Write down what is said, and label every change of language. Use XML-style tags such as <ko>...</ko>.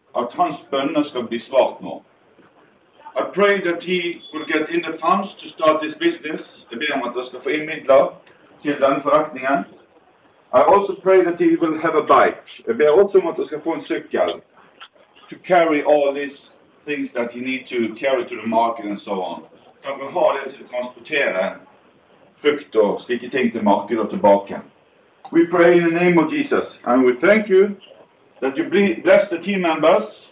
<no>At hans bønner skal bli svart nå.</no> <en>I pray that he will get in the funds to start this business.</en> <no>Jeg ber om at han skal få inn midler til denne forretningen.</no> <en>I also pray that he will have a bike.</en> <no>Jeg ber også om at han skal få en sykkel</no> <en>to carry all these things that he need to carry to the market and so on.</en> <no>Han vil ha det til å transportere frukt og slike ting til markedet og tilbake.</no> <en>We pray in the name of Jesus, and we thank you that you bless the team members.</en>